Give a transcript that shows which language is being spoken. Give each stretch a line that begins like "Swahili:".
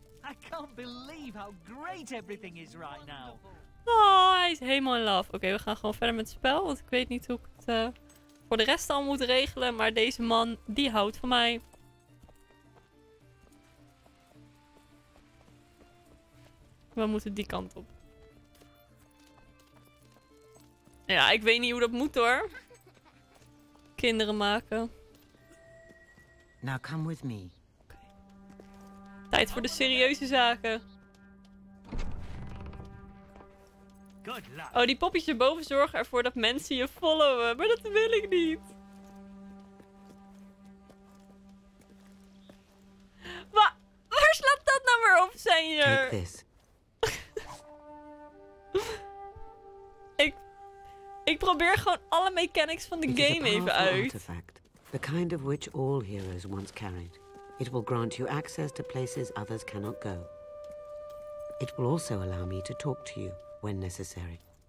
English: I can't believe how great everything is right now.
Dutch: Oh, hij is helemaal in love. Oké, we gaan gewoon verder met het spel. Want ik weet niet hoe ik het voor de rest al moet regelen. Maar deze man, die houdt van mij. We moeten die kant op. Ja, ik weet niet hoe dat moet hoor. Kinderen maken.
English: Now come with me.
Dutch: Tijd voor de serieuze zaken.
English: Good luck.
Dutch: Oh, die poppetjes erboven zorgen ervoor dat mensen je followen. Maar dat wil ik niet. Waar slaat dat nou weer op, senior?
English: Take this.
Dutch: Ik probeer gewoon alle mechanics van de game even uit.
English: Artifact, the kind of which all heroes once carried. It will grant you access to places others cannot go. It will also allow me to talk to you when necessary.